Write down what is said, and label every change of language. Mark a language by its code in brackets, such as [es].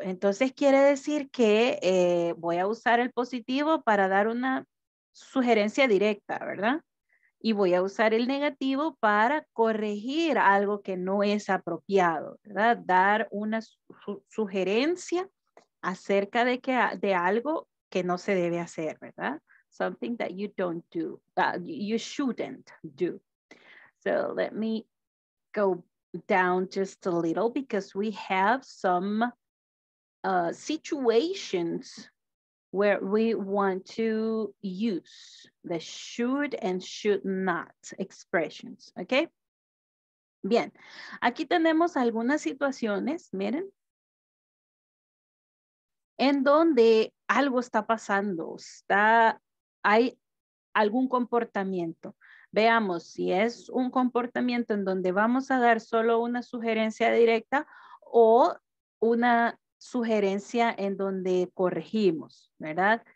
[es] Entonces quiere decir que voy a usar el positivo para dar una sugerencia directa, ¿verdad? Y voy a usar el negativo para corregir algo que no es apropiado, ¿verdad? Dar una sugerencia acerca de que de algo que no se debe hacer, ¿verdad? [en] Something that you don't do, that you shouldn't do. So let me go down just a little because we have some situations where we want to use the should and should not expressions, okay? [es] Bien, aquí tenemos algunas situaciones, miren, en donde algo está pasando, hay algún comportamiento. Veamos si es un comportamiento en donde vamos a dar solo una sugerencia directa o una sugerencia en donde corregimos, ¿verdad?